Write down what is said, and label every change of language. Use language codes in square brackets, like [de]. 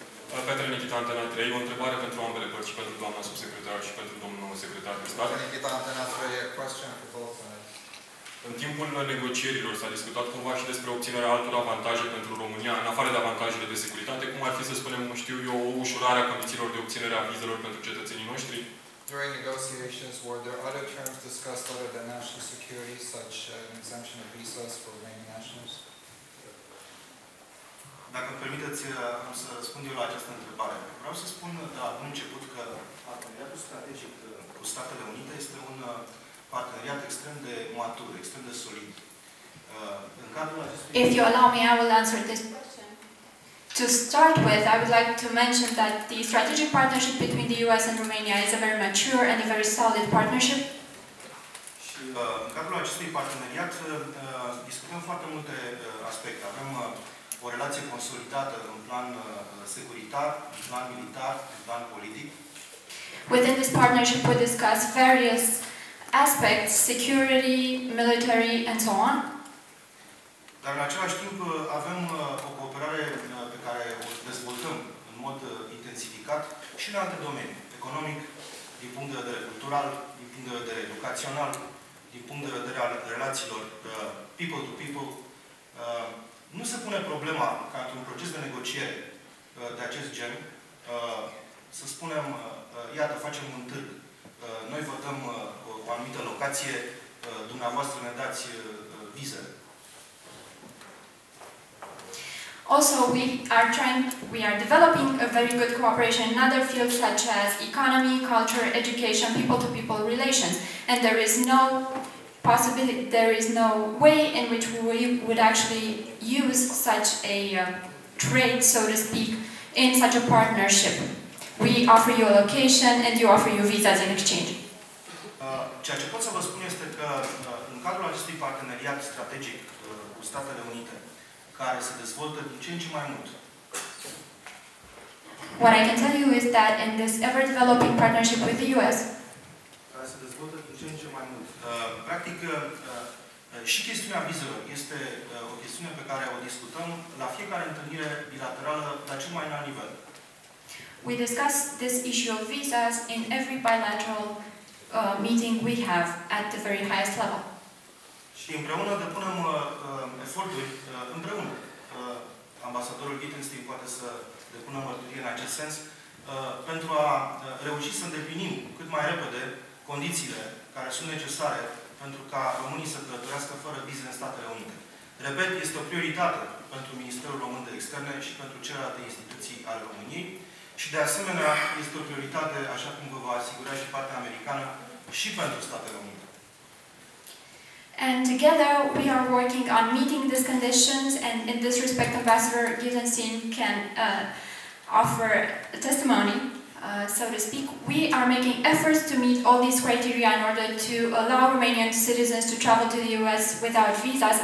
[ro] Petre Nichita, Antena 3. O întrebare pentru ambele părți, și pentru doamna subsecretar și pentru domnul secretar de stat. [en] Petre Nichita, Antena 3. A question for both sides. [ro] În timpul negocierilor s-a discutat cumva și despre obținerea altor avantaje pentru România, în afară de avantajele de securitate, cum ar fi, să spunem, știu eu, o ușurare a condițiilor de obținere a vizelor pentru cetățenii noștri? [en] During negotiations, were there other terms discussed other than national security, such an exemption of visas for Romanian nationals? [ro] Dacă permiteți, am să răspund eu la această întrebare. Vreau să spun, da, în început, că parteneriatul strategic cu Statele Unite este un parteneriat extrem de matur, extrem de solid. În cadrul acestui... [en] If you allow me, I will answer this question. To start with, I would like to mention that the strategic partnership between the US and Romania is a very mature and a very solid partnership. [ro] Și în cadrul acestui parteneriat discutăm foarte multe aspecte. Avem o relație consolidată în plan securitar, în plan militar, în plan politic. [en] Within this partnership we discuss various aspects, security, military and so on. [ro] Dar în același timp avem o cooperare pe care o dezvoltăm în mod intensificat și în alte domenii, economic, din punct de vedere cultural, din punct de vedere educațional, din punct de vedere al relațiilor [en] people to people. [ro] Nu se pune problema ca într-un proces de negociere de acest gen, să spunem, iată, facem un târg. Noi votăm o anumită locație, dumneavoastră ne dați vizele. [en] Also, we are developing a very good cooperation in other fields such as economy, culture, education, people-to-people relations. And there is no possibility, there is no way in which we would actually use such a trade, so to speak, in such a partnership. We offer you a location and you offer you visas in exchange. [ro] Ceea ce pot să vă spun este că în cadrul acestui parteneriat strategic cu Statele Unite, care se dezvoltă din ce în ce mai mult. [en] What I can tell you is that in this ever developing partnership with the US, [ro] care se dezvoltă din ce în ce mai mult. Practic și chestiunea vizelor este o chestiune pe care o discutăm la fiecare întâlnire bilaterală la cel mai înalt nivel. [en] We discuss this issue of visas in every bilateral meeting we have at the very highest level. [ro] Și împreună depunem eforturi, împreună. Ambasadorul Wittgenstein poate să depună mărturie în acest sens, pentru a reuși să îndeplinim cât mai repede condițiile care sunt necesare pentru ca românii să călătorească fără vize în Statele Unite. Repet, este o prioritate pentru Ministerul Român de Externe și pentru celelalte instituții ale României. Și de asemenea, este o prioritate, așa cum vă va asigura și partea americană, și pentru Statele Unite. [en] And together we are working on meeting these conditions, and in this respect Ambassador Gizensin can offer a testimony, so to speak. We are making efforts to meet all these criteria in order to allow Romanian citizens to travel to the US without visas.